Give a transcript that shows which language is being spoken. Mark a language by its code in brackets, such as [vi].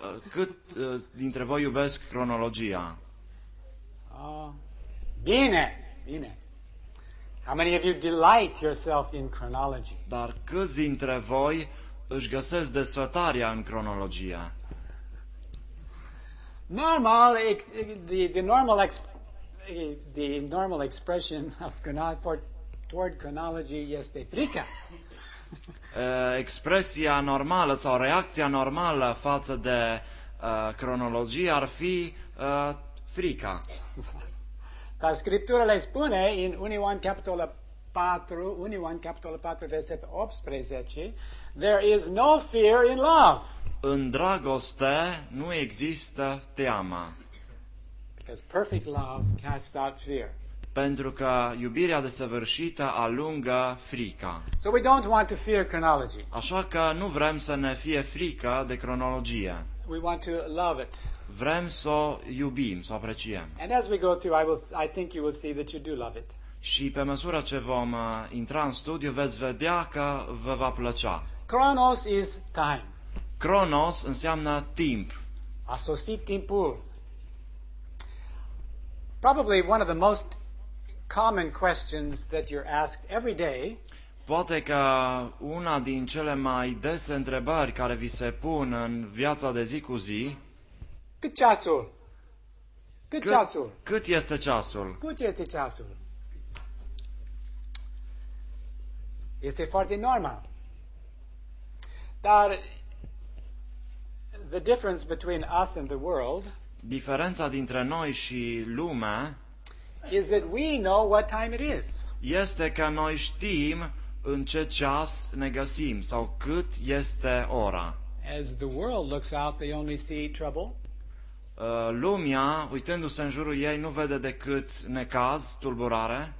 [ro] Cât dintre voi iubesc cronologia? Bine. [en] How many of you delight yourself in chronology? [ro] Dar cât dintre voi își găsesc desfătarea în cronologia? [en] The normal expression of toward chronology [ro] este frică. Expresia normală sau reacția normală față de cronologie ar fi frica. Dar Scripturile spune în 1 Ioan capitolul 4, versetul 18, [en] there is no fear in love. [ro] În dragoste nu există teama. [en] Because perfect love casts out fear. [ro] Pentru că iubirea desăvârșită alungă frica. [en] So we don't want to fear chronology. [ro] Așa că nu vrem să ne fie frică de cronologie. [en] we want to love it. [ro] Vrem să iubim, să apreciem. [en] And as we go through, I think you will see that you do love it. [ro] Și pe măsură ce vom intra în studiu, veți vedea că vă va plăcea. [en] Chronos is time. [ro] Chronos înseamnă timp. A sosit timpul. [en] Probably one of the most common questions that you're asked every day. [ro] Poate că una din cele mai dese întrebări care vi se pun în viața de zi cu zi. Cât ceasul? Cât ceasul? Cât este ceasul? Cât este ceasul? Este foarte normal. [en] Dar the difference between us and the world, [ro] diferența dintre noi și lumea, [en] is that we know what time it is. [ro] Este că noi știm în ce ceas ne găsim sau cât este ora. [en] As the world looks out, they only see trouble. [ro] Lumea, uitându-se în jurul ei, nu vede decât necaz, tulburare.